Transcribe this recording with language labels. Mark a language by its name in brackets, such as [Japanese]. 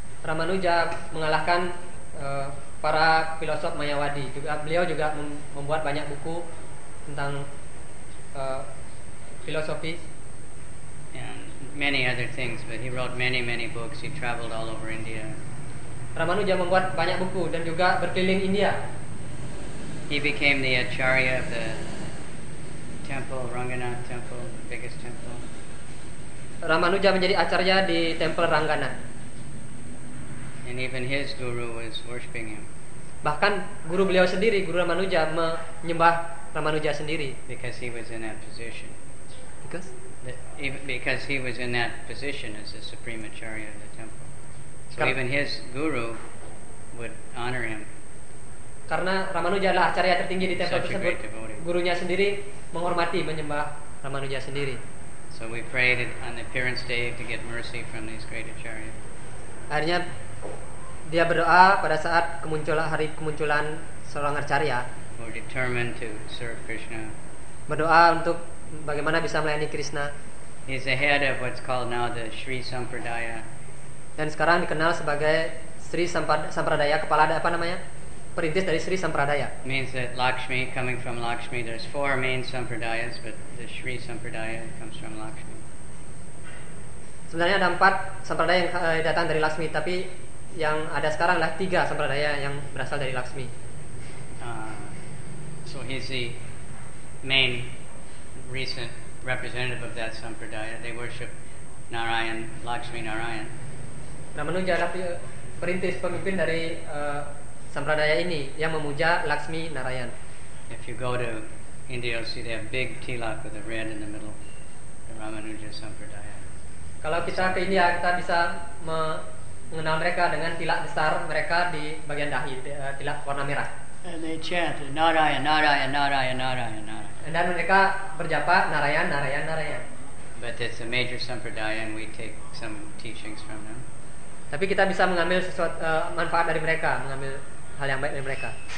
[Indonesian] Ramanuja mengalahkan para filosof Mayavadi. Juga beliau juga membuat banyak buku tentang filosofi. [English] And many other things, but he wrote many many books. He traveled all over India. [Indonesian] Ramanuja membuat banyak buku dan juga berkeliling India. [English] He became the acharya of the temple, Ranganath temple, the biggest temple. [Indonesian] Ramanuja menjadi acharya di temple Ranganath. [English] And even his guru was worshiping him. [Indonesian] Bahkan guru beliau sendiri, guru Ramanuja, menyembah Ramanuja sendiri. [English] Because he was in that position. Because he was in that position as the supreme acharya of the temple. So even his guru would honor him. [Indonesian] Karena Ramanuja adalah acharya tertinggi di temple tersebut, gurunya sendiri menghormati, menyembah Ramanuja sendiri. [English] So we prayed on the appearance day to get mercy from these great acharya. [Indonesian] Akhirnya dia berdoa pada saat hari kemunculan seorang acharya. [English] We're determined to serve Krishna. [Indonesian] Berdoa untuk bagaimana bisa melayani Krishna. [English] He's the head of what's called now the Sri Sampradaya. [Indonesian] Dan sekarang dikenal sebagai Sri Sampradaya, kepala ada apa namanya? Perintis dari Sri Sampradaya. [English] Means that Lakshmi, coming from Lakshmi, there's four main Sampradayas, but the Sri Sampradaya comes from Lakshmi. [Indonesian] Sebenarnya ada empat Sampradaya yang datang dari Lakshmi, tapi yang ada sekarang adalah tiga Sampradaya yang berasal dari Lakshmi. [English] So he's the main recent representative of that Sampradaya. They worship Narayan, Lakshmi Narayan. [Indonesian] Ramanuja adalah perintis pemimpin dari Sampradaya ini yang memuja Lakshmi Narayan. [English] If you go to India, you'll see they have big tilak with a red in the middle. [Indonesian] Ramanuja Sampradaya. Kalau kita ke India, kita bisa mengenal mereka dengan tilak besar mereka di bagian dahi, tilak warna merah. [English] And they chant Narayan, Narayan, Narayan, Narayan, Narayan. [Indonesian] Dan mereka berjapa Narayan, Narayan, Narayan. [English] But it's a major sampradaya, and we take some teachings from them. [Indonesian] Tapi kita bisa mengambil sesuatu manfaat dari mereka, mengambil hal yang baik dari mereka.